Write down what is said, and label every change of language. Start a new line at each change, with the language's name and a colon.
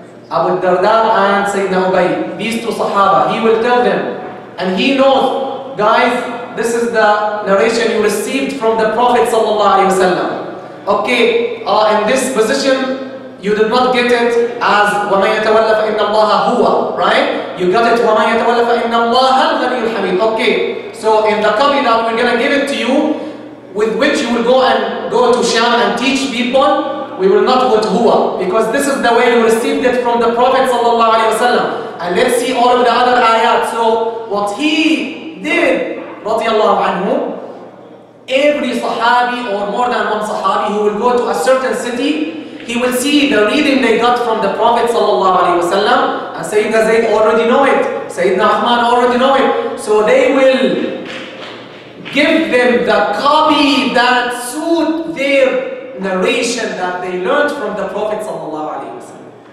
English: Abu Darda and Sayyidina Ubay, these two Sahaba, he will tell them, and he knows, guys, this is the narration you received from the Prophet sallallahu alaihi wasallam. Okay, in this position, you did not get it as
Arabic: وَمَنْ يَتَوَلَّ فَإِنَّ اللَّهَ هُوَ,
English: right? You got it
Arabic: وَمَنْ يَتَوَلَّ فَإِنَّ اللَّهَ الْغَنِيُّ الْحَمِيدُ.
English: Okay, so in the copy that we're gonna give it to you, with which you will go to Sham and teach people, we will not go to Huwa, because this is the way you received it from the Prophet sallallahu alaihi wasallam. And let's see all of the other ayat. So what he did, radiallahu anhu, every Sahabi or more than one Sahabi who will go to a certain city, he will see the reading they got from the Prophet sallallahu alaihi wasallam, and Sayyidina Zayd already know it, Sayyidina Uthman already know it, so they will give them the copy that suit their narration that they learned from the Prophet sallallahu alaihi wasallam.